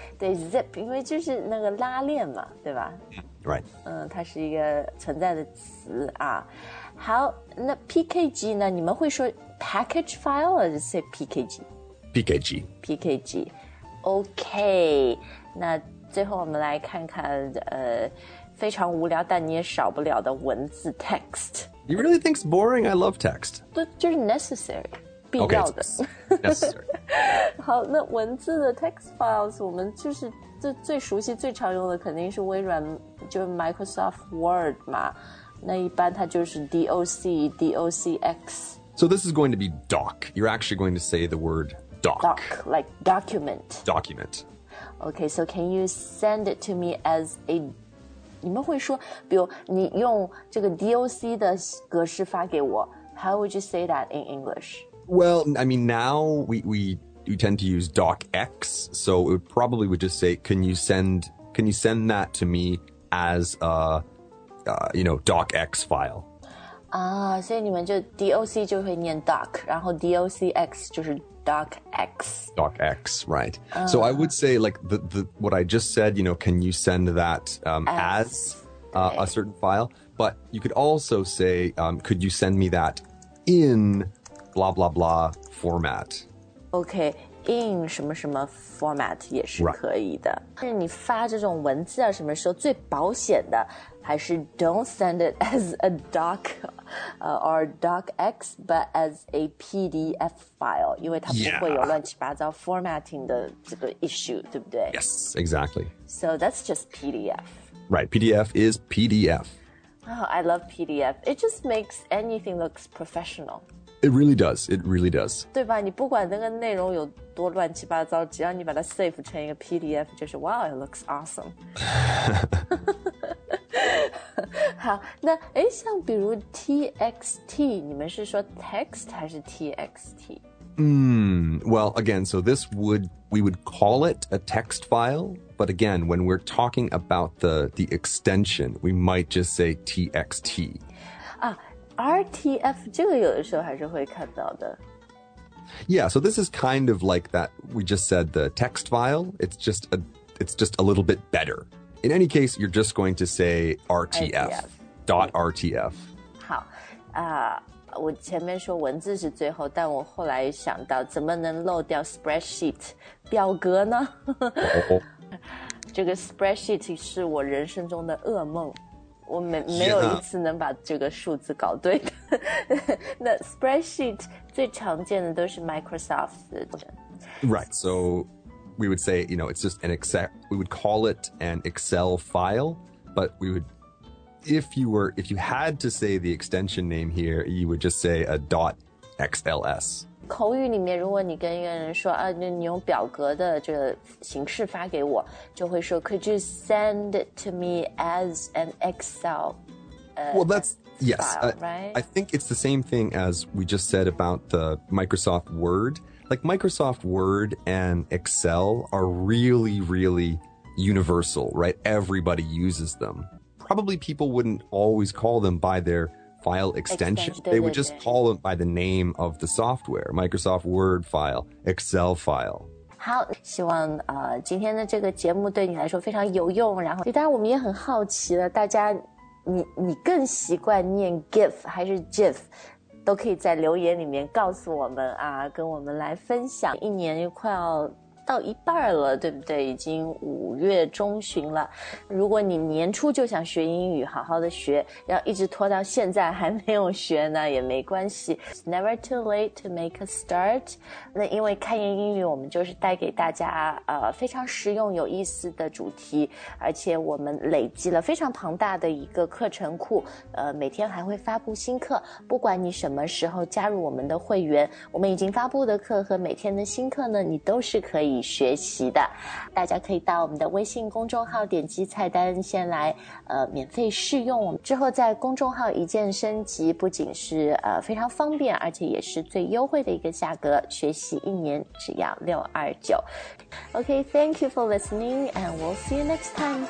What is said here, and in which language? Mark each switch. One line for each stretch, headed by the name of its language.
Chinese: 对 zip 因为就是那个拉链嘛对吧
English: Right.、
Chinese: 它是一个存在的词啊。好那 PKG 呢你们会说
English: package file or just say PKG? PKG. PKG. Okay.
Chinese: 那最后我们来看看非常无聊但你也少不了的文字 text.
English: You really think it's boring? I love text.
Chinese: 就是 necessary, 必要的。
English: Okay, necessary.
Chinese: 好那文字的 text files, 我们就是最熟悉最常用的肯定是微软就是 Microsoft Word 嘛。那一般它就是 DOC, DOCX.
English: So this is going to be doc. You're actually going to say the word doc. Doc, like document. Document. Okay, so can you send it to me as a...
Chinese: 你们会说比如你用这个 DOC 的格式发给我
English: How would you say that in English? Well, I mean, now we tend to use docx, so it would probably would just say, can you send that to me as a, you know, docx file?
Chinese: 啊、所以你们就 DOC 就会念 doc, 然后 DOCX 就是 docx.
English: Docx, right.、So I would say, like, what I just said, you know, can you send that as a certain file? But you could also say,、could you send me that in blah, blah, blah format?
Chinese: Okay, in 什么什么 format 也是可以的。
English: Right.
Chinese: 但是你发这种文字啊什么时候最保险的还是
English: don't send it as a doc、or docx, but as a PDF file,
Chinese: 因为它不会有乱七八糟 formatting 的这个 issue, 对不对
English: Yes, exactly. So that's just PDF. Right, PDF is PDF. Oh, I love PDF. It just makes anything look professional. It really does, it really does.
Chinese: 对吧你不管那个内容有多乱七八糟只要你把它 save 成一个 PDF, 就是
English: wow, it looks awesome.
Chinese: 好那诶像比如 TXT, 你们是说 text 还是 TXT?
English: Well, again, so this would, we would call it a text file, but again, when we're talking about the extension, we might just say TXT.
Chinese: 啊 RTF, 这个有的时候还是会看到的。
English: Yeah, so this is kind of like that, we just said the text file, it's just a little bit better. In any case, you're just going to say RTF, .RTF.
Chinese: 好、我前面说文字是最后但我后来想到怎么能漏掉 spreadsheet 表格呢、这个 spreadsheet 是我人生中的噩梦我 没有一次能把这个数字搞对的那 spreadsheet 最常见的都是 Microsoft 的
English: Right, so... We would say, you know, it's just an Excel, we would call it an Excel file, but we would, if you had to say the extension name here, you would just say a .xls.
Chinese: 口语里面如果你跟一个人说、啊、你用表格的这个形式发给我就会说
English: could you send it to me as an Excel Well, that's, yes. File, right? I think it's the same thing as we just said about the Microsoft Word. Like Microsoft Word and Excel are really, really universal, right? Everybody uses them. Probably people wouldn't always call them by their file extension. They would just call it by the name of the software, Microsoft Word file, Excel file.
Chinese: 好，希望今天的这个节目对你来说非常有用。然后，当然我们也很好奇了，大家你更习惯念 GIF 还是 JIF？都可以在留言里面告诉我们啊，跟我们来分享。一年又快要到一半了，对不对？已经五月中旬了。如果你年初就想学英语，好好的学，要一直拖到现在还没有学呢，也没关系。
English: It's never too late to make a start.
Chinese: 那因为开言英语，我们就是带给大家非常实用、有意思的主题，而且我们累积了非常庞大的一个课程库，每天还会发布新课。不管你什么时候加入我们的会员，我们已经发布的课和每天的新课呢，你都是可以。学习的，大家可以到我们的微信公众号点击菜单先来免费试用，之后在公众号一键升级，不仅是非常方便，而且也是最优惠的一个价格，学习一年只要629。
English: OK, thank you for listening and we'll see you next time.